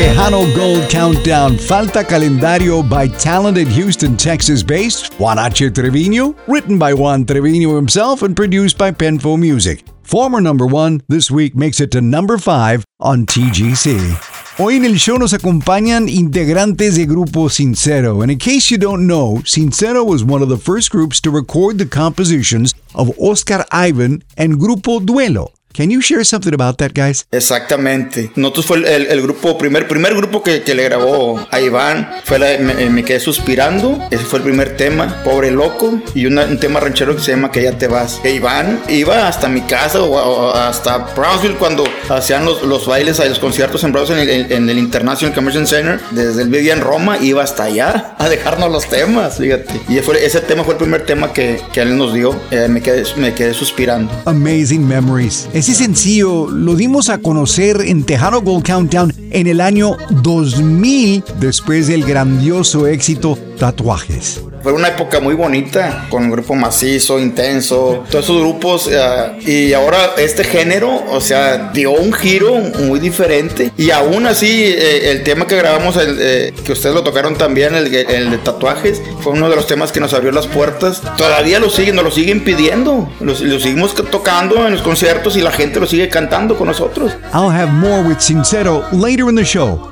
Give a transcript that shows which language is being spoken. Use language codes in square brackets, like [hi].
[en] Countdown, Falta Calendario by talented Houston, Texas-based Juanache Trevino, written by Juan Trevino himself and produced by Penfo Music. Former number one, this week makes it to number five on TGC. [es] Hoy en el show nos acompañan integrantes de Grupo Sincero. [en] And in case you don't know, Sincero was one of the first groups to record the compositions of Oscar Ivan and Grupo Duelo. Can you share something about that, guys? [es] Exactamente. Nosotros fue el grupo, primer grupo que le grabó a Iván. Fue la, me quedé suspirando. Ese fue el primer tema, Pobre Loco. Y un tema ranchero que se llama Que Ya Te Vas. E Iván iba hasta mi casa o hasta Brownsville cuando hacían los bailes, los conciertos en Brownsville, en el International Convention Center. Desde él vivía en Roma, iba hasta allá a dejarnos los temas, fíjate. Y ese tema fue el primer tema que él nos dio. Me quedé suspirando. [en] Amazing memories. [es] Ese sencillo lo dimos a conocer en Tejano Gold Countdown en el año 2000, después del grandioso éxito Tatuajes. Fue una época muy bonita, con un grupo macizo, intenso, todos esos grupos, y ahora este género, o sea, dio un giro muy diferente, y aún así, el tema que grabamos, que ustedes lo tocaron también, el de Tatuajes, fue uno de los temas que nos abrió las puertas. Todavía nos lo siguen pidiendo, lo seguimos tocando en los conciertos, y la gente lo sigue cantando con nosotros. [en] I'll have more with Sincero later in the show.